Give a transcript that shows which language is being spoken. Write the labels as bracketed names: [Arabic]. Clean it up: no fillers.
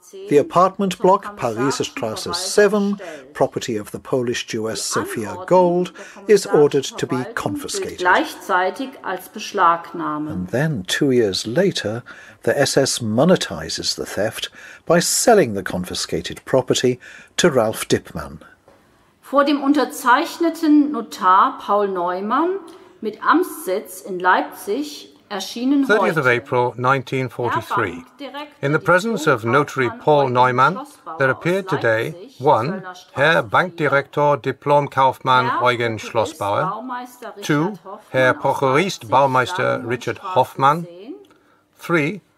[English] The apartment block, Pariser Straße 7, property of the Polish Jewess Sophia Gold, is ordered to be confiscated. And then, 2 years later, the SS monetizes the theft by selling the confiscated property to Ralph Dippmann. [German] Vor dem unterzeichneten Notar Paul Neumann mit Amtssitz in Leipzig. [English] 30th of April 1943. In the presence of Notary Paul Neumann, there appeared today 1. [German] Herr Bankdirektor Diplomkaufmann Eugen Schlossbauer, 2. Herr Prokurist Baumeister Richard Hoffmann, 3.